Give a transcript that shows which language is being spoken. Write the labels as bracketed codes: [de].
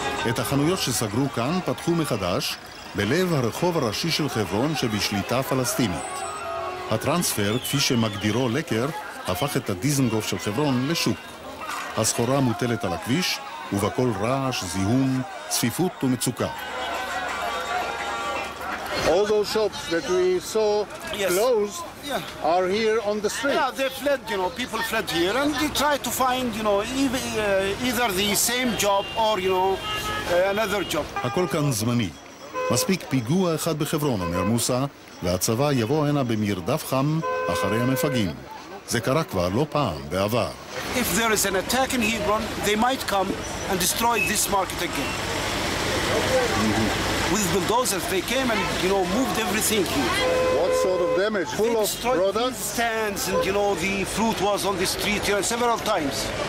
[he] את החנויות שסגרו כאן פתחו מחדש בלב הרחוב הראשי של חברון שבשליטה פלסטינית. הטרנספר, כפי שמגדירו לקר, הפך את הדיזנגוף של חברון לשוק. הסחורה מוטלת על הכביש ובכל רעש, זיהום, צפיפות ומצוקה. [en] All those shops that we saw closed, yes. Yeah. Are here on the street. Yeah, they fled, you know, people fled here and they try to find, you know, either the same job or, you know, another job. [he] הכל כאן זמני. מספיק פיגוע אחד בחברון, אומר מוסה, והצבא יבוא הנה במרדף חם אחרי המפגעים. זה קרה כבר לא פעם בעבר. [en] If there is an attack in Hebron, they might come and destroy this market again. With bulldozers, they came and, you know, moved everything here. What sort of damage? Full of products? They destroyed stands and, you know, the fruit was on the street here several times.